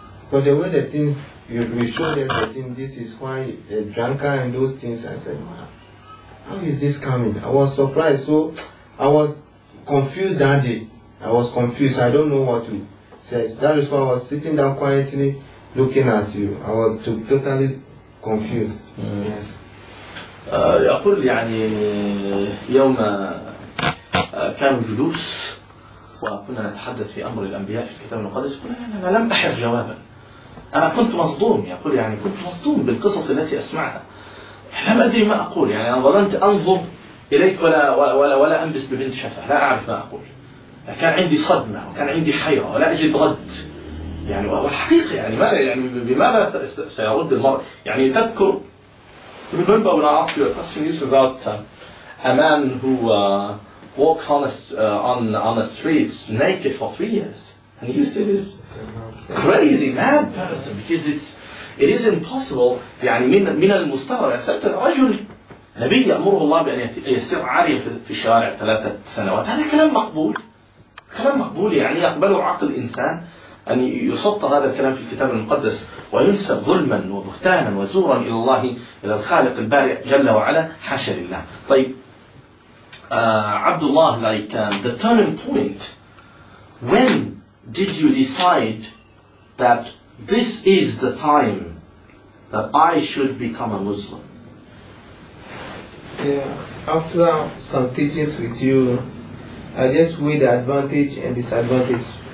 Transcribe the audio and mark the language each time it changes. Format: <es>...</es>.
<en>But the way the thing we showed them that this is why the drunkard and those things. I said, how is this coming? I was surprised. So I was confused that day. I was confused. I don't know what to say. That is why I was sitting down quietly looking at you. I was totally confused. Mm. Yes.</en> <ar>يقول يعني يوم كان جلوس وكنا نتحدث في أمر الأنبياء في الكتاب المقدس أنا لم أحر جوابا أنا كنت مصدوم يقول يعني كنت مصدوم بالقصص التي أسمعها احنا ما ادري ما اقول يعني انا ظننت انظر اليك ولا ولا ولا امس ببنت شفه، لا اعرف ما اقول. كان عندي صدمه وكان عندي حيره ولا اجد رد يعني. والحقيقه يعني ما يعني بماذا سيرد المرء؟ يعني تذكر</ar> <en>remember when I asked you a question, you said about a man who walks on the streets naked for 3 years, and you said he's crazy, mad person, because it is impossible.</en> <ar>يعني من المستغرب. سألت الرجل نبي يأمره الله بأن يسير عاريا في الشوارع 3 سنوات، هذا كلام مقبول؟ كلام مقبول يعني يقبله عقل الإنسان أن يصط هذا الكلام في الكتاب المقدس وينسى ظلما وبهتانا وزورا إلى الله، إلى الخالق البارئ جل وعلا؟ حاشا لله.</ar> <en>طيب عبد الله، like the turning point, when did you decide that this is the time that I should become a Muslim? Yeah, after some teachings with you, I just weigh the advantage and disadvantage.</en>